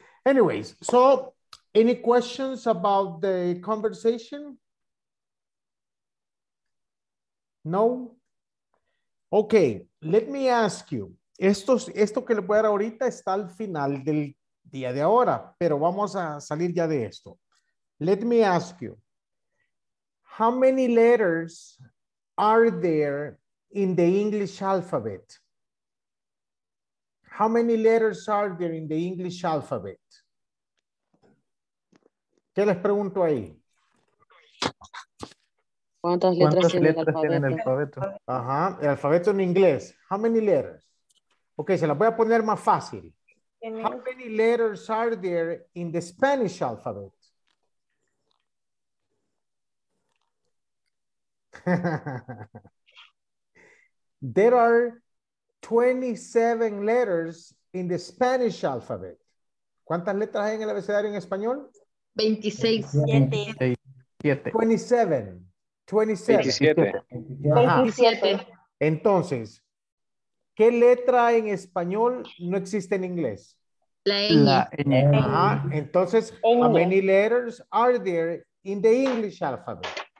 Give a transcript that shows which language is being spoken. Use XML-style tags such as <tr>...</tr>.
<en>Anyways, so, any questions about the conversation? No? Okay, let me ask you.</en> <es>Esto que les voy a dar ahorita está al final del día de ahora, pero vamos a salir ya de esto.</es> <en>Let me ask you, how many letters are there in the English alphabet? How many letters are there in the English alphabet?</en> <es>¿Qué les pregunto ahí? ¿Cuántas letras tiene el alfabeto? Ajá, el alfabeto en inglés.</es> <en>How many letters?</en> <es>Ok, se la voy a poner más fácil.</es> <en>How many letters are there in the Spanish alphabet? There are 27 letters in the Spanish alphabet.</en> <es>¿Cuántas letras hay en el abecedario en español? 27. Entonces, ¿qué letra en español no existe en inglés? La N. Ajá.</es> <en>Entonces, how many letters are there in the English alphabet?</en>